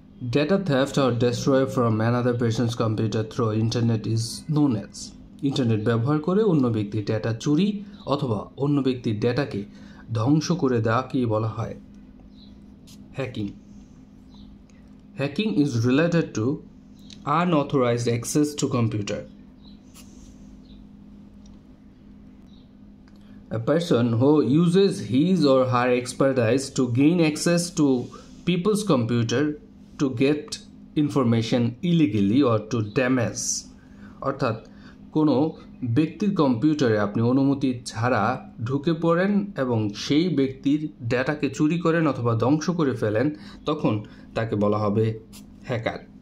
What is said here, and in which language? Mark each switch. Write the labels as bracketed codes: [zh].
[en] data theft or destroy from another person's computer through internet is known as, [bn] internet ব্যবহার করে অন্য ব্যক্তির data চুরি অথবা অন্য ব্যক্তির ডেটাকে ধ্বংস করে দেওয়াকে বলা হয় hacking. [en] Hacking is related to unauthorized access to computer. A person who uses his or her expertise to gain access to people's computer to get information illegally or to damage. [bn] অর্থাৎ কোনো ব্যক্তির কম্পিউটারে আপনি অনুমতি ছাড়া ঢুকে পড়েন এবং সেই ব্যক্তির ডেটাকে চুরি করেন অথবা ধ্বংস করে ফেলেন, তখন তাকে বলা হবে হ্যাকার।